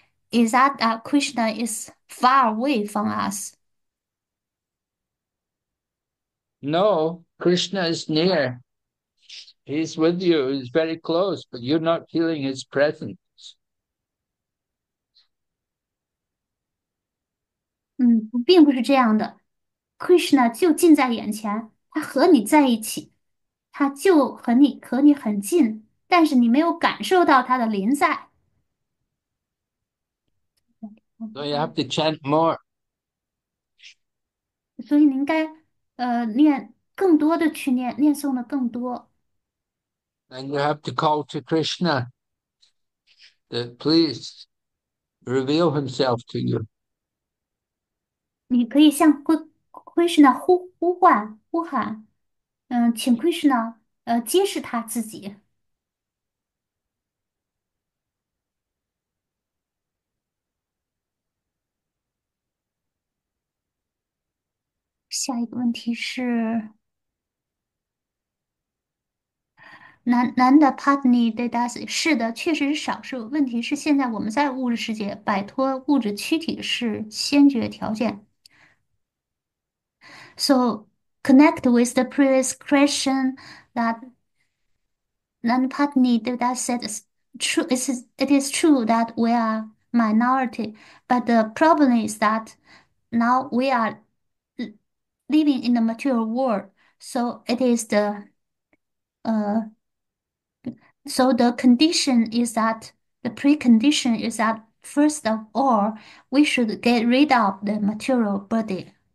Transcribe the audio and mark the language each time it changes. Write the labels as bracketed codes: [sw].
[en] Is that that Krishna is far away from us? No, Krishna is near. He's with you. He's very close, but you're not feeling his presence. [zh] 并不是这样的，Krishna 就近在眼前，他和你在一起，他就和你可你很近，但是你没有感受到他的临在。 So you have to chant more. 所以你应该念更多的去念诵的更多。 [en] And you have to call to Krishna that please reveal himself to you. [zh] 你可以向 Krishna 呼唤呼喊，请 Krishna 揭示他自己。下一个问题是，Nanda Patni Dadas 是的，确实是少数。问题是现在我们在物质世界，摆脱物质躯体是先决条件。 [en] So connect with the previous question that Nanapatni Devdas said it is true that we are minority, but the problem is that now we are living in the material world, so the condition is that the precondition is that first of all we should get rid of the material body.